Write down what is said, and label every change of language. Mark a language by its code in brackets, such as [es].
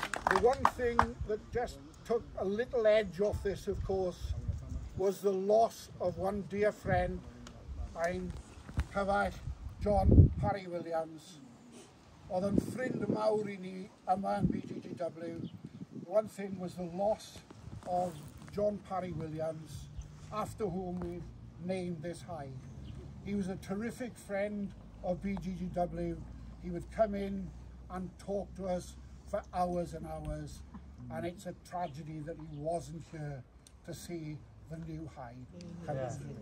[en] The one thing that just took a little edge off this, of course, was the loss of one dear friend, I'm Cyfaill John Parry Williams. [cy] Oedd yn ffrind mawr I ni yma yn BGGW. [en] One thing was the loss of John Parry Williams, after whom we named this hide. He was a terrific friend of BGGW. He would come in and talk to us for hours and hours, and it's a tragedy that he wasn't here to see the new hide come in.